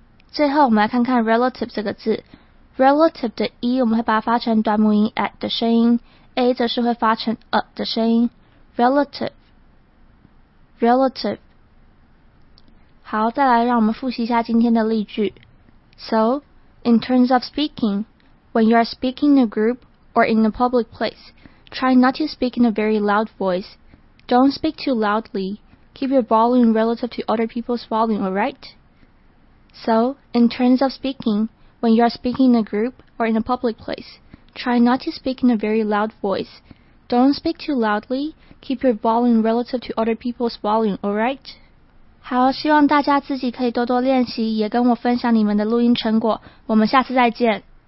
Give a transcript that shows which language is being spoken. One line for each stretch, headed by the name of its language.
Chinese: 最后我们来看看 relative 这个字， relative 的 e 我们会把它发成短母音 at 的声音， a 则是会发成 a 的声音， relative relative。好，再来让我们复习一下今天的例句。
English: So in terms of speaking, when you are speaking in a group or in a public place, try not to speak in a very loud voice. Don't speak too loudly. Keep your volume relative to other people's volume, alright? So, in terms of speaking, when you are speaking in a group or in a public place, try not to speak in a very loud voice. Don't speak too loudly. Keep your volume relative to other people's volume, alright?
Chinese: 好，希望大家自己可以多多练习，也跟我分享你们的录音成果。我们下次再见。